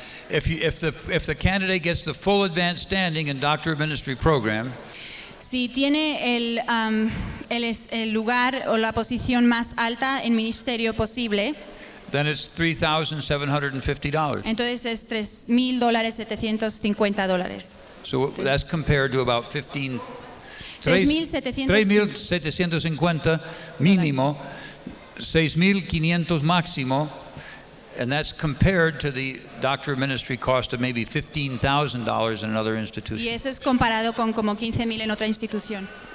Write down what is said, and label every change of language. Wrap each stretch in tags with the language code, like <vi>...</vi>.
<en>If the candidate gets the full advanced standing in doctor of ministry program.</en> <es>Si tiene el lugar o la posición más alta en ministerio posible.</es> <en>Then it's $3,750.</en> <es>Entonces es $3,750.</es> <en>So that's compared to about 15.</en> <es>$3,750 mínimo, $6,500 máximo,</es> <en>and that's compared to the doctor of ministry cost of maybe $15,000 in another institution.</en> <es>Y eso es comparado con como 15,000 en otra institución.</es>